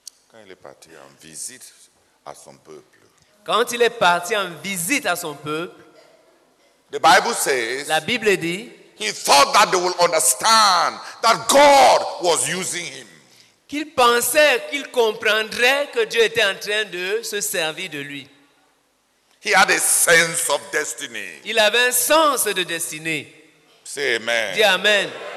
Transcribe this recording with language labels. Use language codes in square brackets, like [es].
[fr] quand il est parti en visite à son peuple, quand il est parti en visite à son peuple, [en] the Bible says, [fr] la Bible dit, [en] he thought that they will understand that God was using him. [fr] Qu'il pensait qu'il comprendrait que Dieu était en train de se servir de lui. [en] He had a sense of destiny. [fr] Il avait un sens de destinée. [en] Say amen. [fr] Dis amen.